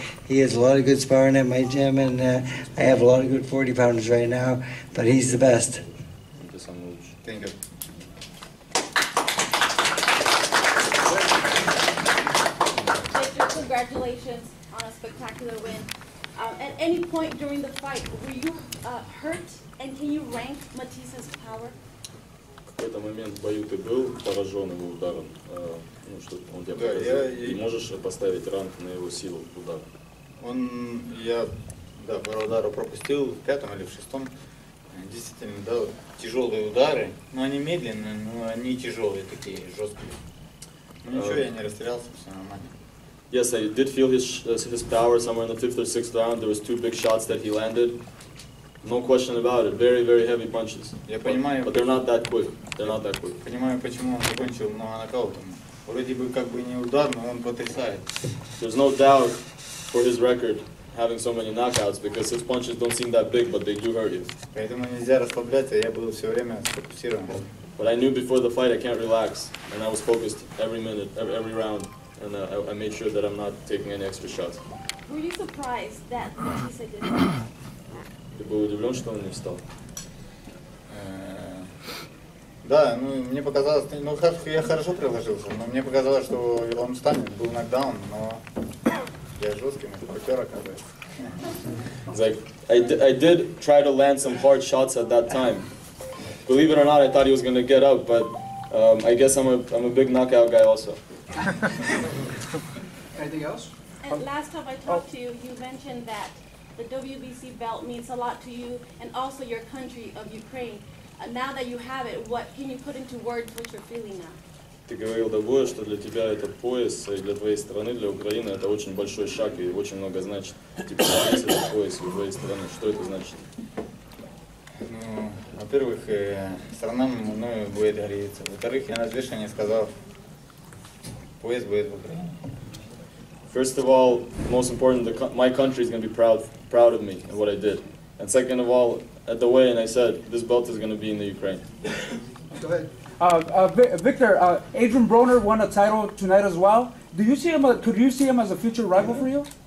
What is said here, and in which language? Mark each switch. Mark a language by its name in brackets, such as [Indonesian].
[English] He has a lot of good sparring at my gym, and I have a lot of good 40-pounders right now. But he's the best. Thank you. Congratulations on a spectacular win. At any point during the fight, were you hurt? And can you rank Matthysse's power? [Russian] В этот момент в бою ты был поражен его ударом, ну что он тебя показал? Да, я. И можешь поставить ранг на его силу удара? Я пару ударов пропустил в пятом или в шестом. Действительно, да, тяжелые удары, но они медленные, но они тяжелые такие, жесткие. Но ничего, я не растерялся, все нормально. [English] Yes, I did feel his power somewhere in the fifth or sixth round. There was two big shots that he landed. No question about it. Very, very heavy punches. [Russian] Я понимаю, [English] but they're not that quick. They're not that quick. [Russian] Понимаю, почему он закончил нокаутом. Вроде бы как бы не удар, но он потрясает. [English] There's no doubt for his record having so many knockouts, because his punches don't seem that big, but they do hurt you. [Russian] Поэтому нельзя расслабляться, я был все время сфокусирован. [English] But I knew before the fight I can't relax, and I was focused every minute, every round, and I made sure that I'm not taking any extra shots. Were you surprised that Matthysse didn't? [Russian] Ты был удивлен, что он не встал? Да, ну мне показалось, ну как я хорошо приложился, но мне показалось, что он встанет, был нокдаун, но [English] he's like, I did try to land some hard shots at that time. Believe it or not, I thought he was going to get up, but I guess I'm a big knockout guy also. Anything else? And last time I talked to you, you mentioned that the WBC belt means a lot to you and also your country of Ukraine. Now that you have it, what can you put into words what you're feeling now? [Russian] Ты говорил до боя, что для тебя этот пояс и для твоей страны, для Украины, это очень большой шаг и очень много значит. Теперь есть этот пояс у твоей страны. Что это значит? Ну, во-первых, страна мною будет гореться. Во-вторых, я на взвешивании сказал, пояс будет в Украине. [English] First of all, most important, my country is going to be proud of me and what I did. And second of all, at the weigh-in I said, this belt is going to be in the Ukraine. Go ahead. Viktor, Adrian Broner won a title tonight as well. Could you see him as a future rival for you?